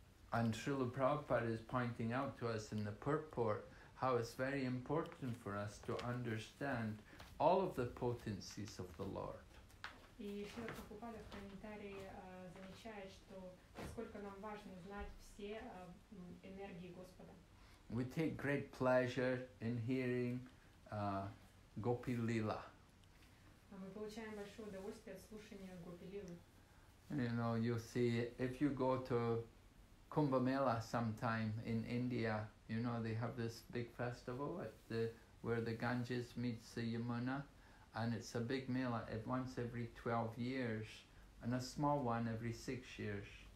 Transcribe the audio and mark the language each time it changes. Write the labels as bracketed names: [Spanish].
[English] And Srila Prabhupada is pointing out to us in the purport how it's very important for us to understand all of the potencies of the Lord. [Russian] И Шрила Прабхупада в комментарии замечает, что насколько нам важно знать все энергии Господа. [English] We take great pleasure in hearing Gopi Lila. [Russian] Мы получаем большое удовольствие от слушания Гопи Лилы. [English] You know, you see, if you go to Kumbh Mela sometime in India, you know, they have this big festival at the, where the Ganges meets the Yamuna. And it's a big mela at once every 12 years, and a small one every 6 years.